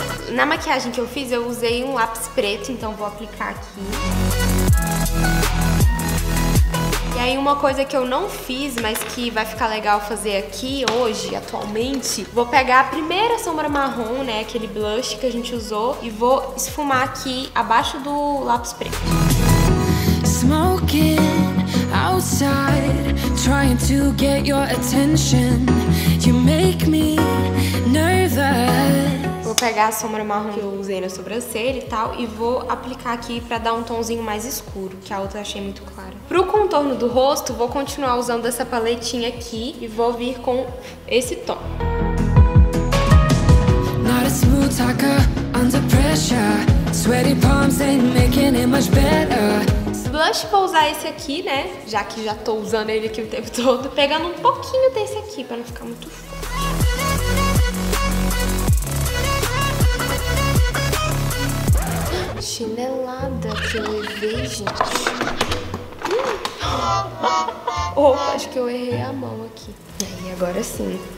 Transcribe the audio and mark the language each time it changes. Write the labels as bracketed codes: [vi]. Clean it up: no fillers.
[pt] Na maquiagem que eu fiz, eu usei um lápis preto, então vou aplicar aqui. E aí uma coisa que eu não fiz, mas que vai ficar legal fazer aqui hoje, atualmente, vou pegar a primeira sombra marrom, né, aquele blush que a gente usou, e vou esfumar aqui abaixo do lápis preto. [en] Smoking outside, trying to get your attention. You make me nervous. [pt] Vou pegar a sombra marrom que eu usei na sobrancelha e tal e vou aplicar aqui pra dar um tonzinho mais escuro, que a outra eu achei muito clara. Pro contorno do rosto, vou continuar usando essa paletinha aqui e vou vir com esse tom. [en] Not a smooth talker, under pressure. Sweaty palms ain't making it much better. [pt] Blush, vou usar esse aqui, né? Já que já tô usando ele aqui o tempo todo. Pegando um pouquinho desse aqui pra não ficar muito forte. Chinelada que eu levei, gente. Opa, acho que eu errei a mão aqui. E aí, agora sim.